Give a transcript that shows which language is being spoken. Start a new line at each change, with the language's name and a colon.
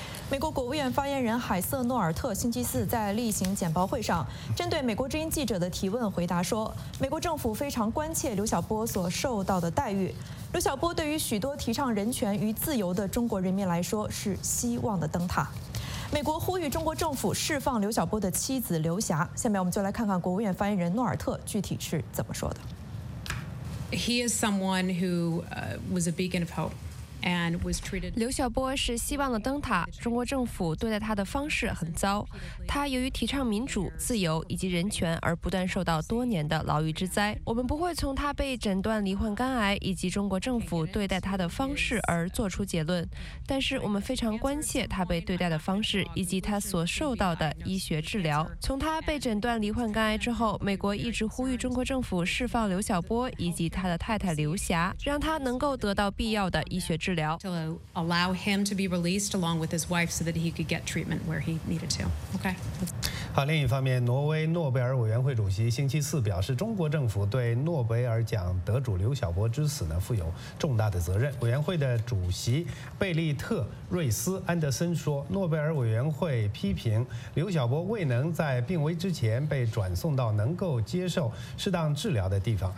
Chinese: 美国国务院发言人海瑟诺尔特星期四在例行简报会上针对美国之音记者的提问回答说，美国政府非常关切刘晓波所受到的待遇，刘晓波对于许多提倡人权与自由的中国人民来说是希望的灯塔。美国呼吁中国政府释放刘晓波的妻子刘霞。下面我们就来看看国务院发言人诺尔特具体是怎么说的。
English: He is someone who was a beacon of hope and was treated.
Chinese: 刘晓波是希望的灯塔，中国政府对待他的方式很糟。他由于提倡民主、自由以及人权而不断受到多年的牢狱之灾。我们不会从他被诊断罹患肝癌以及中国政府对待他的方式而做出结论，但是我们非常关切他被对待的方式以及他所受到的医学治疗。从他被诊断罹患肝癌之后，美国一直呼吁中国政府释放刘晓波以及他的太太刘霞，让他能够得到必要的医学治疗。
English: Allow him to be released along with his wife so that he could get treatment where he needed to. Okay.
Chinese: 好，另一方面，挪威诺贝尔委员会主席星期四表示，中国政府对诺贝尔奖得主刘晓波之死呢负有重大的责任。委员会的主席贝利特·瑞斯·安德森说，诺贝尔委员会批评刘晓波未能在病危之前被转送到能够接受适当治疗的地方。